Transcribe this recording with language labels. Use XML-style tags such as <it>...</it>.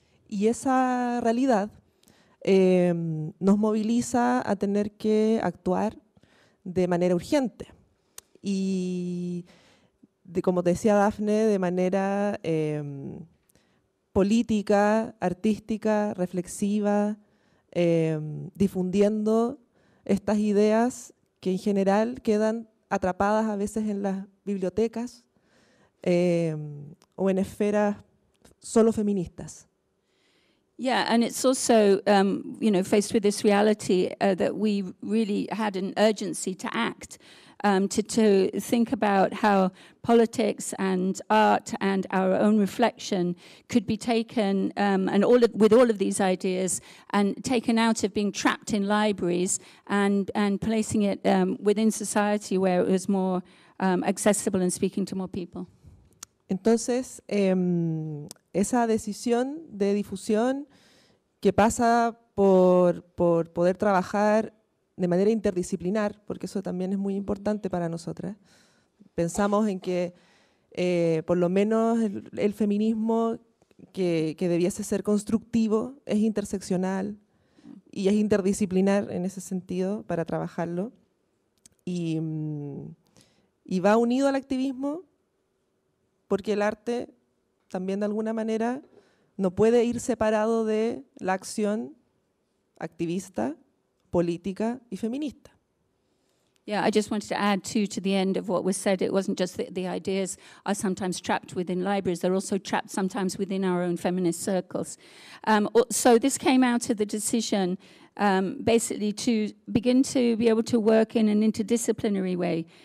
<es>Y esa realidad nos moviliza a tener que actuar de manera urgente y, de, como decía Daffne, de manera política, artística, reflexiva, difundiendo estas ideas que en general quedan atrapadas a veces en las bibliotecas o en esferas solo feministas.</es> <en>Yeah, and it's also, faced with this reality that we really had an urgency to act, to think about how politics and art and our own reflection could be taken, with all of these ideas, and taken out of being trapped in libraries and placing it within society where it was more accessible and speaking to more people.</en> <es>Entonces, esa decisión de difusión que pasa por poder trabajar de manera interdisciplinar, porque eso también es muy importante para nosotras. Pensamos en que por lo menos el feminismo que debiese ser constructivo es interseccional y es interdisciplinar en ese sentido para trabajarlo. Y va unido al activismo porque el arte también de alguna manera no puede ir separado de la acción activista, política y feminista.</es> <en>Yeah, I just wanted to add to the end of what was said. It wasn't just that the ideas are sometimes trapped within libraries, they're also trapped sometimes within our own feminist circles. So this came out of the decision basically to begin to be able to work in an interdisciplinary way.</en>